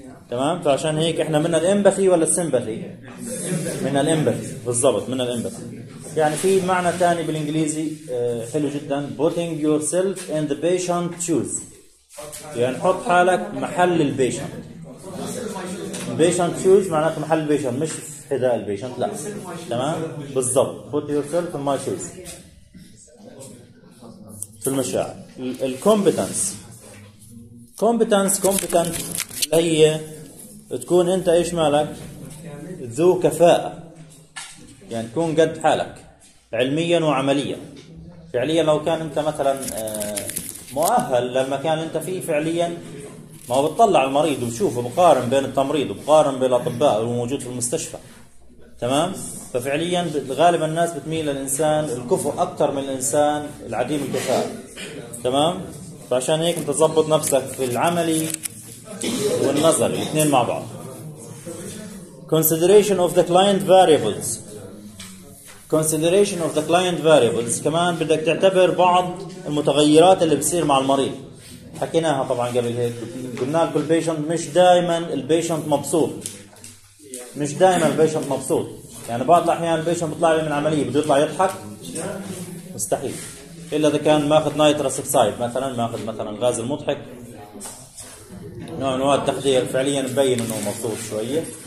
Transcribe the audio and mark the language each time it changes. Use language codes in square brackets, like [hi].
[ar] تمام؟ فعشان هيك احنا من الامباثي ولا السيمباثي؟ من الامباثي بالضبط، من الامباثي. يعني في معنى ثاني بالانجليزي حلو جدا، [en] putting yourself in the patient's shoes، [ar] يعني حط حالك محل البيشنت. البيشنت شوز معناته محل البيشنت، مش حذاء البيشنت، لا. تمام؟ بالضبط، [en] put yourself in my shoes. [ar] في المشاعر الكومبتنس، كومبتنس، كومبتنس هي تكون انت ايش مالك؟ ذو كفاءه، يعني تكون قد حالك علميا وعمليا. فعليا لو كان انت مثلا مؤهل للمكان اللي انت فيه فعليا، ما هو بتطلع المريض وبشوفه بقارن بين التمريض وبقارن بين الاطباء الموجود في المستشفى. تمام؟ ففعليا غالبا الناس بتميل للانسان الكفو اكثر من الانسان العديم الكفاءه. تمام؟ فعشان هيك انت تظبط نفسك في العملي والنظري الاثنين مع بعض. [en] consideration of the client variables، consideration of the client variables [ar] كمان بدك تعتبر بعض المتغيرات اللي بتصير مع المريض. حكيناها طبعا قبل هيك، قلنا لكم البيشنت مش دائما البيشنت مبسوط، مش دائما البيشنت مبسوط. يعني بعض الاحيان البيشنت بيطلع لي من عمليه بده يطلع يضحك، مستحيل، الا اذا كان ماخذ نايتروس اكسايد مثلا، ماخذ مثلا غاز المضحك، نوع من انواع التخدير، فعليا مبين انه مبسوط شويه.